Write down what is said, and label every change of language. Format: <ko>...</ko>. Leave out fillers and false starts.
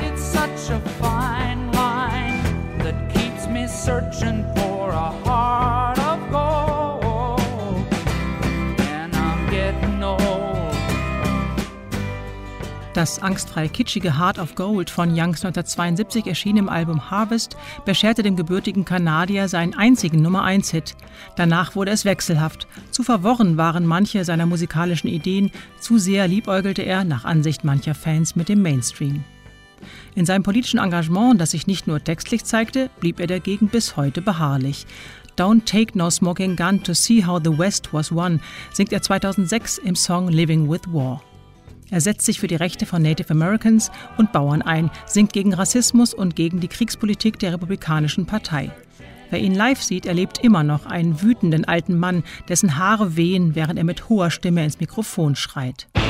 <en>It's such a fine line that keeps me searching for a heart of gold. And I'm getting old.</en> <de>Das angstfreie, kitschige Heart of Gold von Youngs 1972 erschienenem Album Harvest bescherte dem gebürtigen Kanadier seinen einzigen Nummer-1-Hit. Danach wurde es wechselhaft. Zu verworren waren manche seiner musikalischen Ideen, zu sehr liebäugelte er, nach Ansicht mancher Fans, mit dem Mainstream. In seinem politischen Engagement, das sich nicht nur textlich zeigte, blieb er dagegen bis heute beharrlich.</de> <en>Don't take no smoking gun to see how the West was won,</en> <de>singt er 2006 im Song</de> <en>Living with War.</en> <de>Er setzt sich für die Rechte von Native Americans und Bauern ein, singt gegen Rassismus und gegen die Kriegspolitik der Republikanischen Partei. Wer ihn live sieht, erlebt immer noch einen wütenden alten Mann, dessen Haare wehen, während er mit hoher Stimme ins Mikrofon schreit.</de>